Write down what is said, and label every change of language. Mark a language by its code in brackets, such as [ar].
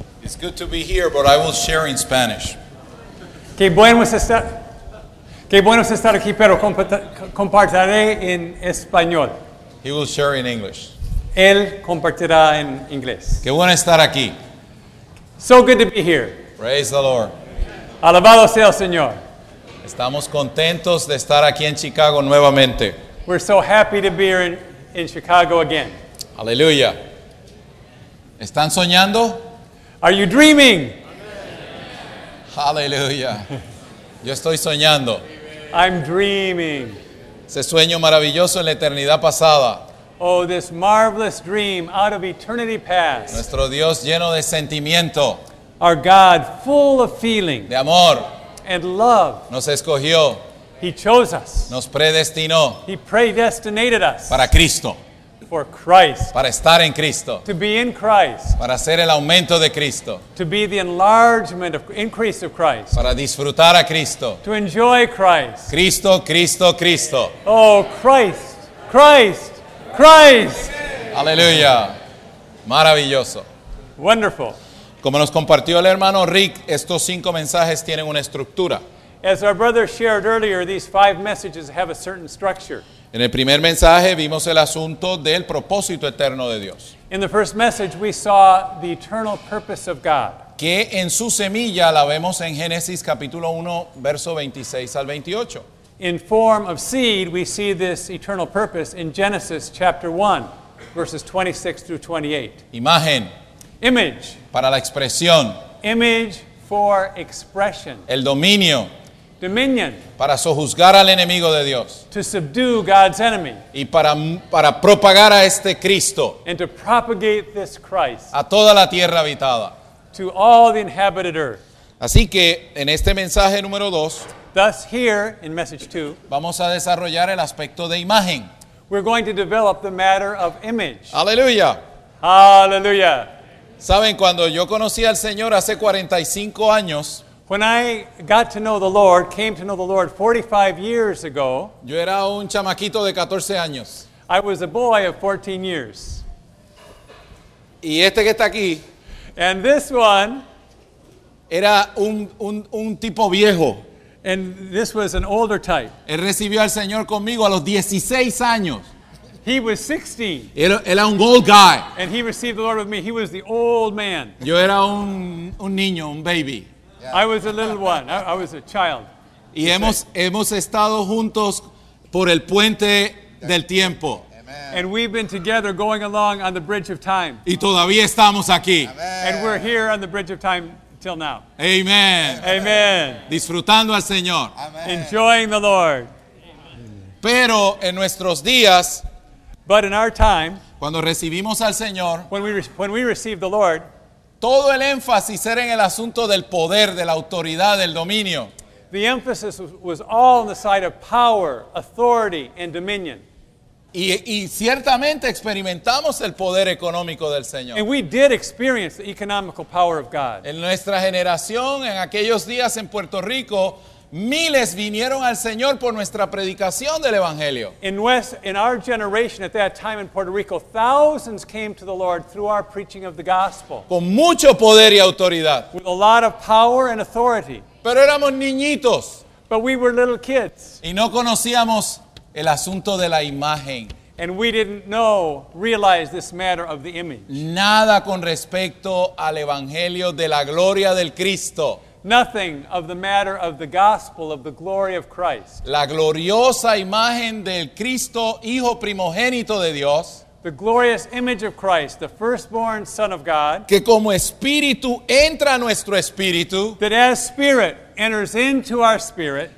[en] It's good to be here, but I will share in Spanish. [es] Qué bueno es estar aquí, pero compartiré en español. [en] He will share in English. [es] Él compartirá en inglés. Qué bueno estar aquí. [en] So good to be here. Praise the Lord. [es] Alabado sea el Señor. Estamos contentos de estar aquí en Chicago nuevamente. [en] We're so happy to be here in Chicago again. [es] Aleluya. ¿Están soñando? [en] Are you dreaming? [es] Aleluya. Yo estoy soñando. [en] I'm dreaming. [es] Ese sueño maravilloso en la eternidad pasada. [en] Oh, this marvelous dream out of eternity past. [es] Nuestro Dios lleno de sentimiento. [en] Our God full of feeling. [es] De amor. [en] And love. [es] Nos escogió. [en] He chose us. [es] Nos predestinó. [en] He predestinated us. [es] Para Cristo. [en] For Christ. [es] Para estar en Cristo. [en] To be in Christ. [es] Para ser el aumento de Cristo. [en] To be the enlargement of increase of Christ. [es] Para disfrutar a Cristo. [en] To enjoy Christ. [es] Cristo, Cristo, Cristo. [en] Oh, Christ. Christ. Christ. [es] Aleluya. Maravilloso. [en] Wonderful. [es] Como nos compartió el hermano Rick, estos cinco mensajes tienen una estructura. [en] As our brother shared earlier, these five messages have a certain structure. [es] En el primer mensaje vimos el asunto del propósito eterno de Dios. [en] In the first message we saw the eternal purpose of God. [es] Que en su semilla la vemos en Génesis capítulo 1, verso 26 al 28. [en] In form of seed we see this eternal purpose in Genesis chapter 1, verses 26 through 28. [es] Imagen. [en] Image. [es] Para la expresión. [en] Image for expression. [es] El dominio. [en] Dominion. [es] Para sojuzgar al enemigo de Dios. [en] To subdue God's enemy. [es] Y para propagar a este Cristo. [en] And to propagate this Christ. [es] A toda la tierra habitada. [en] To all the inhabited earth. [es] Así que en este mensaje número 2. [en] Thus here in message 2. [es] Vamos a desarrollar el aspecto de imagen. [en] We're going to develop the matter of image. [es] Aleluya. Aleluya. Saben, cuando yo conocí al Señor hace 45 años. [en] When I got to know the Lord, came to know the Lord 45 years ago. [es] Yo era un chamaquito de 14 años. [en] I was a boy of 14 years. [es] Y este que está aquí. [en] And this one. [es] Era un tipo viejo. [en] And this was an older type. [es] Él recibió al Señor conmigo a los 16 años. [en] He was 16. [es] Era un [en] old guy. And he received the Lord with me. He was the old man. [es] Yo era un niño, un baby. [en] I was a little one. I was a child. [es] Y hemos estado juntos por el puente del tiempo. [en] Amen. And we've been together going along on the bridge of time. [es] Y todavía estamos aquí. [en] Amen. And we're here on the bridge of time till now. Amen. Amen. Amen. [es] Disfrutando al Señor. [en] Amen. Enjoying the Lord. [es] Pero en nuestros días. [en] But in our time. [es] Cuando recibimos al Señor. [en] When we received the Lord. [es] Todo el énfasis era en el asunto del poder, de la autoridad, del dominio. [en] The emphasis was all on the side of power, authority, and dominion. [es] Y ciertamente experimentamos el poder económico del Señor. [en] And we did experience the economical power of God. [es] En nuestra generación, en aquellos días en Puerto Rico, miles vinieron al Señor por nuestra predicación del Evangelio. [en] In our generation at that time in Puerto Rico, thousands came to the Lord through our preaching of the gospel. [es] Con mucho poder y autoridad. [en] With a lot of power and authority. [es] Pero éramos niñitos. [en] But we were little kids. [es] Y no conocíamos el asunto de la imagen. [en] And we didn't know, realize this matter of the image. [es] Nada con respecto al Evangelio de la gloria del Cristo. [en] Nothing of the matter of the gospel of the glory of Christ. [es] La gloriosa imagen del Cristo, Hijo primogénito de Dios. [en] The glorious image of Christ, the firstborn Son of God. [es] Que como espíritu entra a nuestro espíritu. [en] That as spirit enters into our spirit.